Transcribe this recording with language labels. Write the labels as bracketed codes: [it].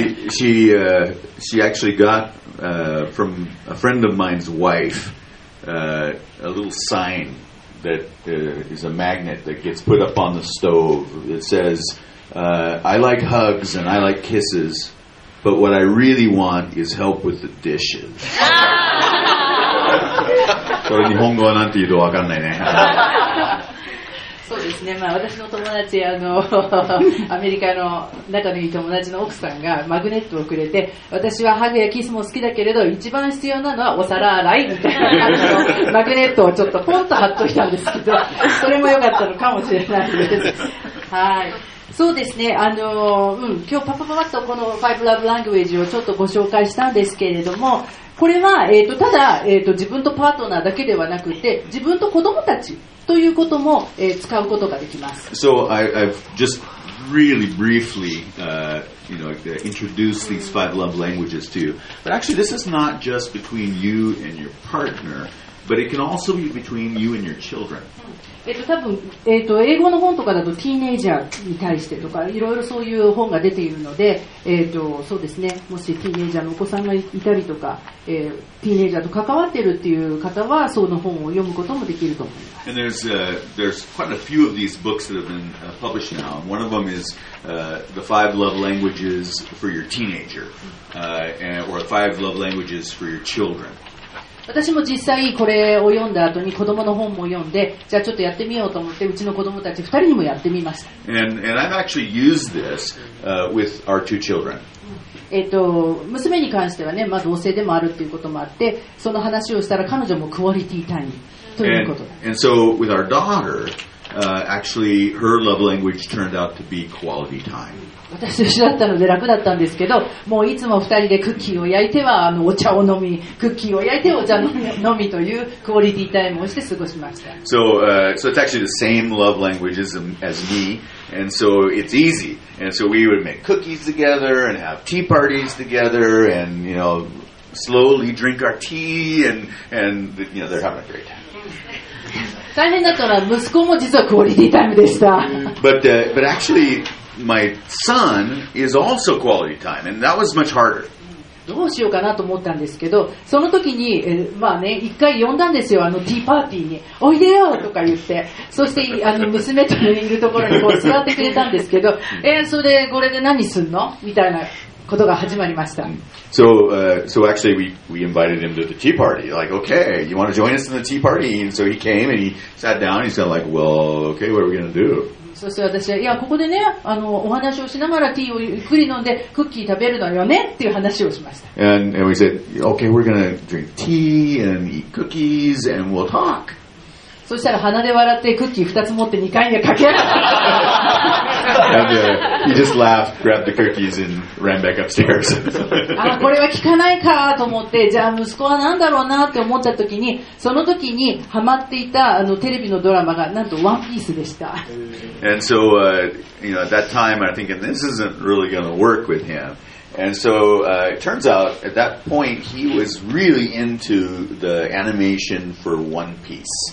[en] She actually got from a friend of mine's wife a little sign that is a magnet that gets put up on the stove that says, I like hugs and I like kisses, but what I really want is help with the dishes. [ja] それ日本語はなんて言うと分かんないね。そうですね、まあ、私の友達、あのアメリカの仲のいい友達の奥さんがマグネットをくれて、私はハグやキスも好きだけれど一番必要なのはお皿洗いみたいな感じのマグネットをちょっとポンと貼っといたんですけど、それも良かったのかもしれないです。はい、そうですね、うん、今日パパパパッとこの Five Love Language をちょっとご紹介したんですけれども、これは、ただ、自分とパートナーだけではなくて、自分と子供たちということも、使うことができます。 [en] So I've just really briefly, you know, introduced these five love languages to you. But actually, this is not just between you and your partner, but it can also be between you and your children. [ja] 多分、英語の本とかだと、ティーネイジャーに対してとか、いろいろそういう本が出ているので、そうですね、もしティーネイジャーのお子さんがいたりとか、ティーネイジャーと関わっているっていう方はその本を読むこともできると思います。 [en] And there's quite a few of these books that have been published now. One of them is The Five Love Languages for Your Teenager or Five Love Languages for Your Children. [ja] 私も実際これを読んだ後に子供の本も読んで、じゃあちょっとやってみようと思って、うちの子供たち2人にもやってみました。 [en] And I've actually used this with our two children. [ja] 娘に関してはね、まあ同性でもあるっていうこともあって、その話をしたら彼女もクオリティタイムということで。 [en] And so with our daughter, actually her love language turned out to be quality time. [ja] 私と一緒だったので楽だったんですけど、もういつも二人でクッキーを焼いてはあのお茶を飲み、クッキーを焼いてお茶を飲みというクオリティタイムをして過ごしました。 [en] So, so it's actually the same love language as me, and so it's easy. And so we would make cookies together and have tea parties together and, you know, slowly drink our tea and you know, they're having a great time. [ja] 大変だったのは息子も実はクオリティタイムでした。 [en] But actually,My son is also quality time, and that was much harder. [ja] どうしようかなと思ったんですけど、その時に、まあね、一回呼んだんですよ、あのティーパーティーに、おいでよとか言って、そしてあの娘といるところにこう座ってくれたんですけど、それでこれで何すんのみたいなことが始まりました。 [en] So actually we invited him to the tea party. Like, okay, you want to join us in the tea party? And so he came and he sat down. He's kind of like, well, okay, what are we going to do? [ja] そして私はいやここでねあのお話をしながらティーをゆっくり飲んでクッキー食べるのよねっていう話をしました。 [en] And we said, okay, we're gonna drink tea and eat cookies and we'll talk. [ja] そしたら鼻で笑ってクッキー2つ持って2回にかけられた。 [en] And he just laughed, grabbed the cookies and ran back upstairs. [ja] あこれは効かないかと思って、じゃあ息子はなんだろうなって思った時に、その時にハマっていたあのテレビのドラマがなんとワンピースでした。 [en] And so, you know, at that time, I'm thinking, this isn't really going to work with him. And so, it turns out, at that point, he was really into the animation for One Piece.